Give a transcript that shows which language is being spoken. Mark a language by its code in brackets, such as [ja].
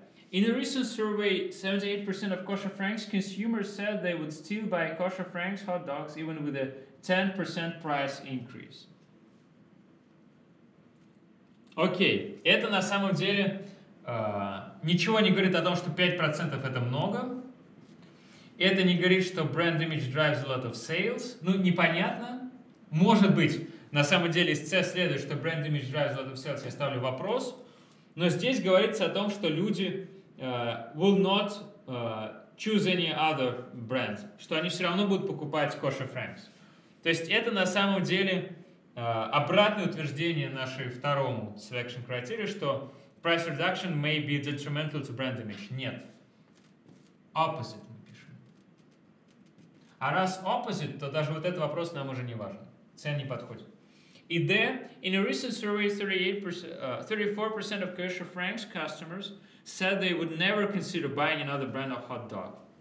[en] In a recent survey, 78% of Kosher Franks consumers said they would still buy Kosher Franks hot dogs even with a 10% price increase. [ru] Окей, это на самом деле ничего не говорит о том, что 5% это много. Это не говорит, что brand image drives a lot of sales. Ну, непонятно. Может быть, На самом деле, из CS следует, что brand image drives a lot of sales, я ставлю вопрос. Но здесь говорится о том, что люди will not choose any other brand, что они все равно будут покупать Kosher Frames. То есть это на самом деле обратное утверждение нашей второму selection criteria, что price reduction may be detrimental to brand image. Нет. Opposite мы пишем. А раз opposite, то даже вот этот вопрос нам уже не важен. Цен не подходит. И D. [en] In a recent survey, 34% of Kosher Frames customers said they would never consider buying another brand of hot dog.